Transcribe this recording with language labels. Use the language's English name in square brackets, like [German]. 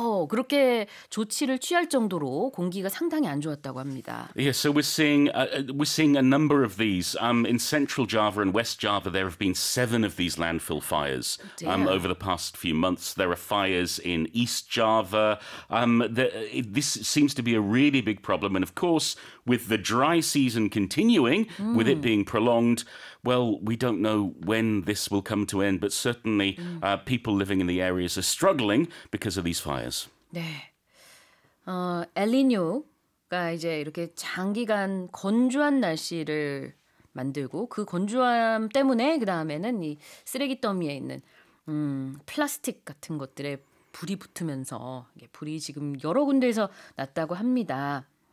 [Korean] 그렇게 조치를 취할 정도로 공기가 상당히 안 좋았다고 합니다. [English] Yeah, so we're seeing a number of these. In Central Java and West Java, there have been 7 of these landfill fires over the past few months. There are fires in East Java. This seems to be a really big problem. And of course, with the dry season continuing, with it being prolonged, well, we don't know when this will come to end, but certainly people living in the areas are struggling because of these fires. [Korean] 네. 엘니뇨가 이제 이렇게 장기간 건조한 날씨를 만들고 그 건조함 때문에 그다음에는 이 쓰레기 더미에 있는 플라스틱 같은 것들에 불이 붙으면서 이게 불이 지금 여러 군데에서 났다고 합니다.